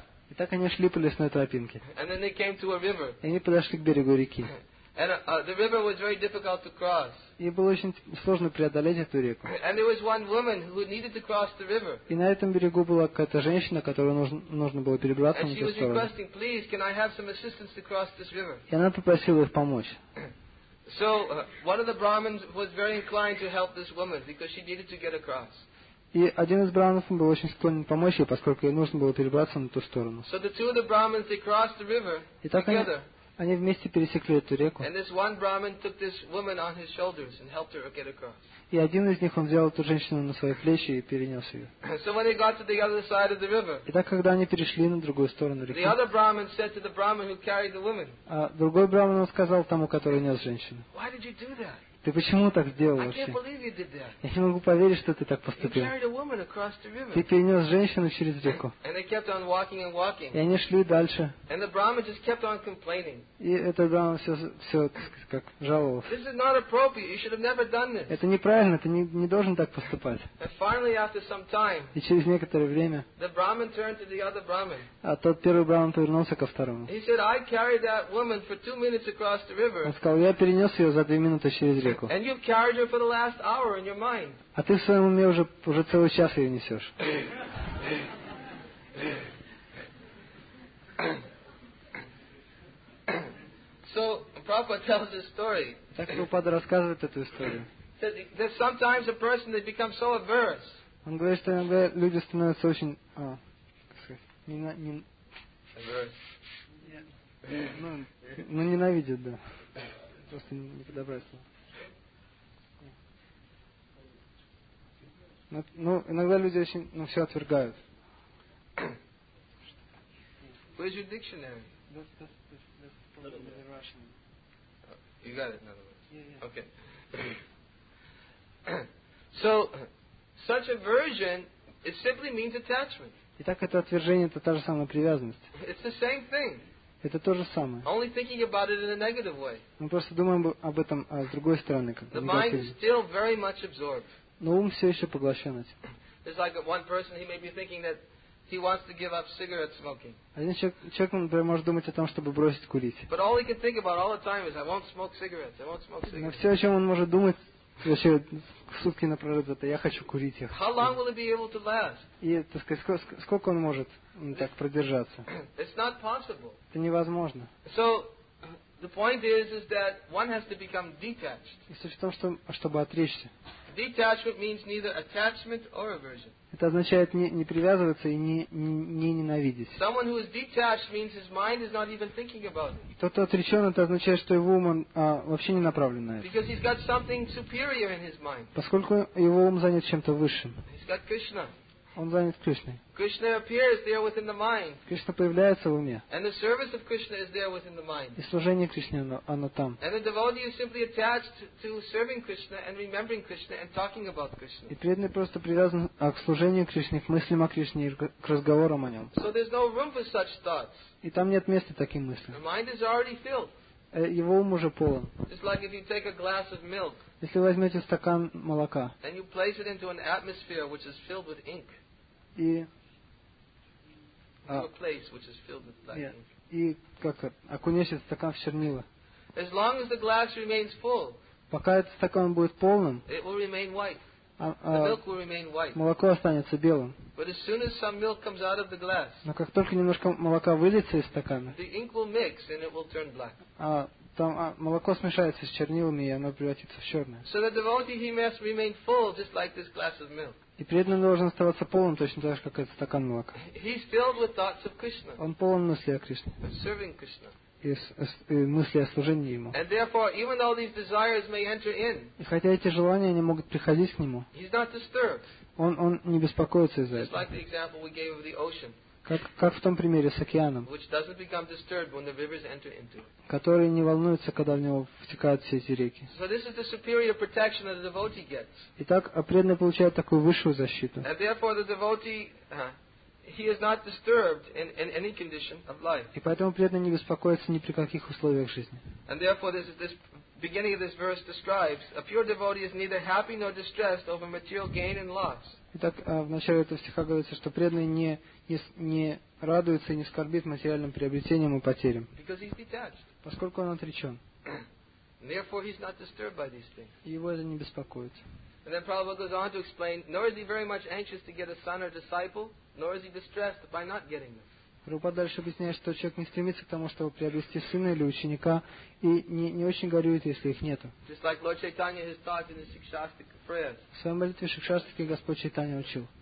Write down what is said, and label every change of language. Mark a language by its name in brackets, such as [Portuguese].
[Russian] И так они шли по лесной тропинке. И они подошли к берегу реки. [English] And the river was very difficult to cross. [Russian] И было очень сложно преодолеть эту реку. [English] And there was one woman who needed to cross the river. [Russian] И на этом берегу была какая-то женщина, которой нужно было перебраться на ту сторону. [English] And she was requesting, please, can I have some assistance to cross this river? [Russian] И она попросила их помочь. [English] So one of the brahmins was very inclined to help this woman because she needed to get across. [Russian] И один из брахманов был очень склонен помочь ей, поскольку ей нужно было перебраться на ту сторону. [English] So the two of the brahmins, they crossed the river together. [Russian] Они вместе пересекли эту реку. [English] And this one Brahmin took this woman on his shoulders and helped her get across. [Russian] И один из них, он взял эту женщину на свои плечи и перенес ее. [English] So when they got to the other side of the river, [Russian] и так, когда они перешли на другую сторону реки, [English] the other Brahmin said to the Brahmin who carried the woman, [Russian] а другой Брахмин сказал тому, который нес женщину, [English] why did you do that? [Russian] Ты почему так сделал вообще? [English] I can't believe you did that. [Russian] Я не могу поверить, что ты так поступил. [English] You carried a woman across the river. [Russian] Ты перенес женщину через реку. [English] And they kept on walking and walking. [Russian] И они шли дальше. [English] And the Brahmin just kept on complaining. [Russian] И этот Брахмин все как жаловался. [English] This is not appropriate. You should have never done this. [Russian] Это неправильно, ты не должен так поступать. [English] And finally, after some time, [Russian] и через некоторое время, [English] the Brahmin turned to the other Brahmin. [Russian] А тот первый Брахмин повернулся ко второму. [English] He said, I carried that woman for 2 minutes across the river. [Russian] Он сказал, я перенес ее за 2 минуты через реку. [English] And you've carried her for the last hour in your mind. [Russian] А ты в своем уме уже целый час ее несешь. [English] So Prabhupada tells this story. [Russian] Так Прабхупада рассказывает эту историю. [English] That sometimes a person they become so averse. [Russian] Он говорит, что иногда люди становятся очень ненавидят, да. Просто не подобрать слово. Ну, иногда люди очень, все отвергают. [English] Where's your dictionary? That's Russian. Oh, you got it, in other words. Yeah. Okay. So, such aversion, it simply means attachment. [Russian] Итак, это отвержение, это та же самая привязанность. [English] It's the same thing. [Russian] Это то же самое. [English] Only thinking about it in a negative way. [Russian] Мы просто думаем об этом с другой стороны. [English] The mind is still very much absorbed. [Russian] Но ум все еще поглощен этим. [English] It's like one person, he may be thinking that he wants to give up cigarette smoking. [Russian] Один человек, например, может думать о том, чтобы бросить курить. [English] But all he can think about all the time is, I won't smoke cigarettes. I won't smoke cigarettes. [Russian] Но все, о чем он может думать вообще сутки напролет, это я хочу курить. [English] How long will he be able to last? [Russian] И так сказать, сколько он может так продержаться? [English] It's not possible. [Russian] Это невозможно. [English] So the point is that one has to become detached. [Russian] И суть в том, чтобы отречься. [English] Detachment means neither attachment or aversion. [Russian] Это означает не привязываться и не ненавидеть. [English] Someone who is detached means his mind is not even thinking about it. [Russian] Тот, кто отречен, это означает, что его ум вообще не направлен на это. [English] Because he's got something superior in his mind. [Russian] Поскольку его ум занят чем-то высшим. [English] He's got Krishna. [Russian] Он занят Кришной. [English] Krishna appears there within the mind. [Russian] Кришна появляется в уме. [English] And the service of Krishna is there within the mind. [Russian] И служение Кришне оно там. [English] And the devotee is simply attached to serving Krishna and remembering Krishna and talking about Krishna. [Russian] И преданный просто привязан к служению Кришне, к мыслям о Кришне, к разговорам о нем. [English] So there's no room for such thoughts. [Russian] И там нет места таким мыслям. [English] The mind is already filled. [Russian] Его ум уже полон. [English] It's like if you take a glass of milk. [Russian] Если вы возьмете стакан молока. [English] And you place it into an atmosphere which is filled with ink. [Russian] И окунешь этот стакан в чернила. [English] As long as the glass remains full, [Russian] пока этот стакан будет полным, [English] it will remain white. The milk will remain white. [Russian] Молоко останется белым. [English] But as soon as some milk comes out of the glass, [Russian] но как только немножко молока выльется из стакана, [English] the ink will mix and it will turn black. [Russian] Молоко смешается с чернилами, и оно превратится в черное. [English] So the devotee, he must remain full, just like this glass of milk. [Russian] И преданный должен оставаться полным, точно так же, как этот стакан молока. [English] He's filled with thoughts of Krishna. [Russian] Он полон мыслей о Кришне. [English] Serving Krishna. [Russian] И мысли о служении ему. [English] And therefore, even though these desires may enter in, [Russian] и хотя эти желания не могут приходить к нему, [English] he's not disturbed. [Russian] Он не беспокоится из-за [English] just [Russian] этого. [English] Like the example we gave of the ocean, [Russian] как в том примере с океаном, [English] which doesn't become disturbed when the rivers enter into it. [Russian] Который не волнуется, когда в него втекают все эти реки. [English] So this is the superior protection that the devotee gets. [Russian] Итак, преданный получает такую высшую защиту. [English] And therefore, the devotee, he is not disturbed in any condition of life. [Russian] И поэтому преданный не беспокоится ни при каких условиях жизни. [English] And therefore, this beginning of this verse describes a pure devotee is neither happy nor distressed over material gain and loss. [Russian] Итак, в начале этого стиха говорится, что преданный не радуется и не скорбит материальным приобретением и потерям. [English] Because he's detached. [Russian] Поскольку он отречен. [English] And therefore, he's not disturbed by these things. [Russian] Его это не беспокоит. [English] And then Prabhupada goes on to explain, nor is he very much anxious to get a son or disciple. Nor is he distressed by not getting them. [Russian] Прабхупада дальше объясняет, что человек не стремится к тому, чтобы приобрести сына или ученика, и не очень горюет, если их нету. [English] Just like Lord Chaitanya has taught in the Shikshastik prayers. [Russian] В своем молитве Шикшастике Господь Чайтанья учил.